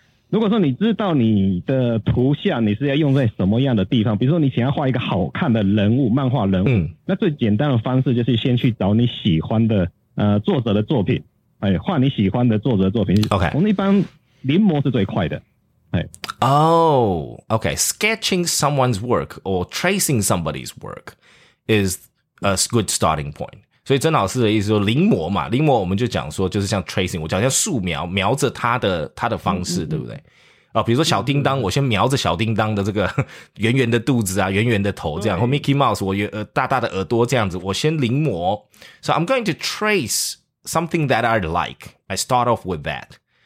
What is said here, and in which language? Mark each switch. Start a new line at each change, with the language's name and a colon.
Chinese: 如果说你知道你的图像你是要用在什么样的地方，比如说你想要画一个好看的人物，漫画人物，那最简单的方式就是先去找你喜欢的作者的作品，哎，画你喜欢的作者的作品。
English: OK，
Chinese: 我们一般临摹是最快的。
English: Oh, okay. Sketching someone's work or tracing somebody's work is a good starting point.
Chinese: 所以曾老师的意思说临摹嘛，临摹我们就讲说就是像 tracing， 我讲像素描，描着他的方式，对不对？比如说小叮当，我先描着小叮当的这个圆圆的肚子啊，圆圆的头这样，或 Mickey Mouse， 我大大的耳朵这样子，我先临摹。
English: So I'm going to trace something that I like. I start off with that.